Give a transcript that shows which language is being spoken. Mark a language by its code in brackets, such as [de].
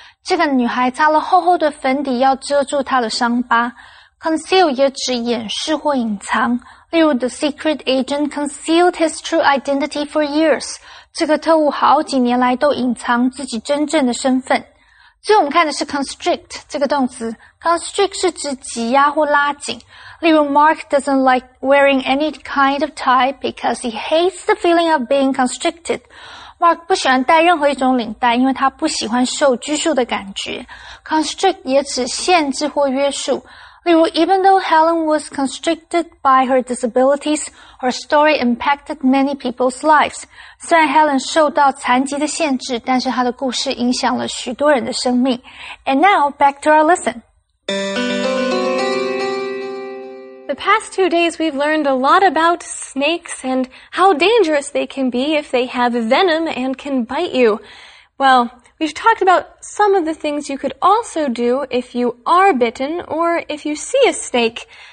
[zh] 这个女孩擦了厚厚的粉底要遮住她的伤疤。 conceal 也指掩饰或隐藏。例如 [en] the secret agent concealed his true identity for years. [zh] 这个特务好几年来都隐藏自己真正的身份。最后我们看的是 constrict 这个动词。constrict 是指挤压或拉紧。例如 [en] Mark doesn't like wearing any kind of tie because he hates the feeling of being constricted. [zh] Mark 不喜欢戴任何一种领带，因为他不喜欢受拘束的感觉。 [en] constrict [zh] 也指限制或约束。例如 [en] even though Helen was constricted by her disabilities, her story impacted many people's lives. [zh] 虽然 Helen 受到残疾的限制，但是她的故事影响了许多人的生命。 [en] And now, back to our lesson. The past 2 days we've learned a lot about snakes and how dangerous they can be if they have venom and can bite you. Well, we've talked about some of the things you could also do if you are bitten or if you see a snake.